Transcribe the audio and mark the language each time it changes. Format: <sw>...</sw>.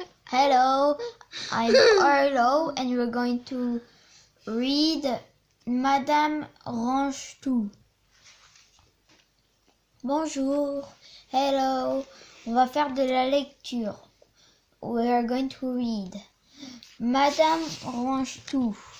<en>Hello, I'm Arlo and we're going to read Madame Range-Tout.</en> <fr>Bonjour, hello, on va faire de la lecture.</fr> <en>We're going to read Madame Range-Tout.</en>